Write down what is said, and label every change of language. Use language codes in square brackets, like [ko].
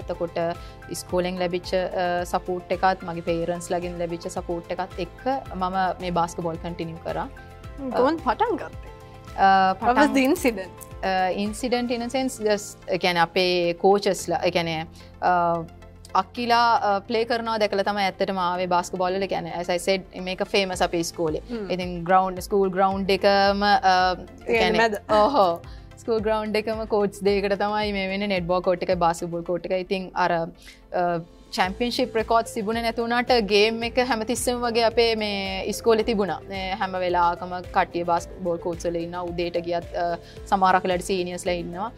[si] එතකොට ස්කූලෙන් ලැබිච්ච සපෝට් එකත් මගේ පේරන්ට්ස් ලගින් ලැබිච්ච සපෝට් එකත් එක්ක මම මේ බාස්කට්බෝල් කන්ටිනියු කරා. කොහොමද පටන් ගත්තේ? [en] What was the incident? Incident in a sense just again [si] අපේ කෝචස්ලා ඒ කියන්නේ අක්කිලා ප්ලේ කරනවා දැකලා තමයි ඇත්තටම ආවේ බාස්කට්බෝල් වල. කියන්නේ [en] as I said [si] මේක famous අපේ ස්කූලේ. ඉතින් ground school ground එකම කියන්නේ ඔහො school ground එකම coach day එකට තමයි මේ වෙන්නේ netball court එකයි basketball court එකයි. ඉතින් අර championship records තිබුණේ නැතු වුණාට game එක හැමතිස්සෙම වගේ අපේ මේ ස්කූලේ තිබුණා. හැම වෙලාවකම කට්ටිය basketball courts වල ඉන්නවා. උදේට ගියත් සමහරක් ලැඩි seniors ලා ඉන්නවා.